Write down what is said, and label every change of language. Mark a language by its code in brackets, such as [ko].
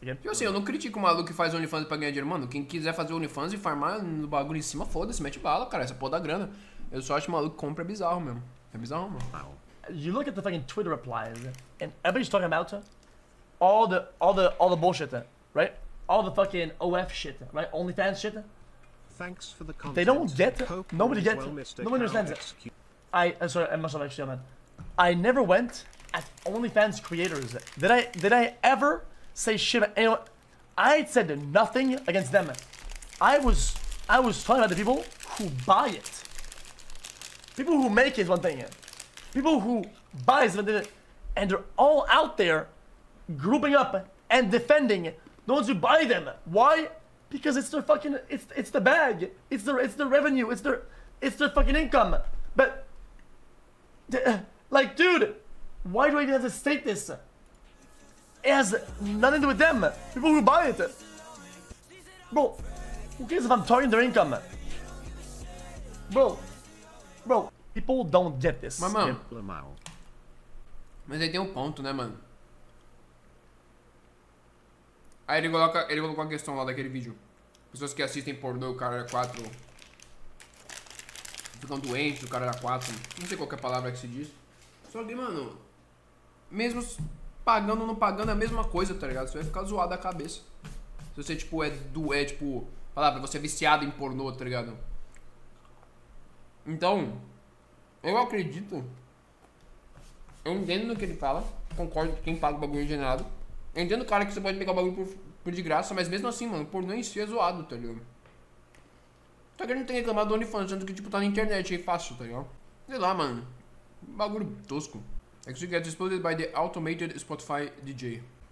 [pt] E assim, eu não critico o maluco que faz OnlyFans pra ganhar dinheiro. Mano, quem quiser fazer OnlyFans e farmar no bagulho em cima, foda-se, mete bala, cara. Essa porra da grana. Eu só acho que o maluco que compra é bizarro mesmo. É bizarro, mano. [en] You look at the fucking Twitter replies, and everybody's talking about all the bullshit, right? All the fucking OF shit, right? OnlyFans shit. Thanks for the content. They don't get it. Nobody gets it. Nobody understands it. I'm sorry, I must have actually, man. I never went at OnlyFans creators. Did I ever say shit? You know, I said nothing against them. I was talking about the people who buy it. People who make is one thing, people who buy is one thing, and they're all out there grouping up and defending those who buy them. Why? Because it's their fucking, it's the bag, it's their revenue, it's their fucking income. But, like, dude, why do I even have to state this? It has nothing to do with them, people who buy it. Bro, who cares if I'm targeting their income? Bro, people don't get this. [pt] Mas, mano, mas aí tem um ponto, né, mano? Aí ele coloca uma questão lá daquele vídeo. Pessoas que assistem pornô, o cara é 4. Ficam doentes, o cara é 4. Não sei qual que é a palavra que se diz. Só que, mano, mesmo pagando ou não pagando é a mesma coisa, tá ligado? Você vai ficar zoado da cabeça. Se você, tipo, falar pra você é viciado em pornô, tá ligado? Então, eu acredito. Eu entendo no que ele fala. Concordo com quem paga o bagulho engenhado. Eu entendo, cara, que você pode pegar o bagulho por de graça, mas mesmo assim, mano, pornô em si é zoado, tá ligado? Só que ele não tem reclamado do OnlyFans, sendo que, tipo, tá na internet aí fácil, tá ligado? Sei lá, mano. Bagulho tosco. [en] XQC gets exploded by the automated Spotify DJ.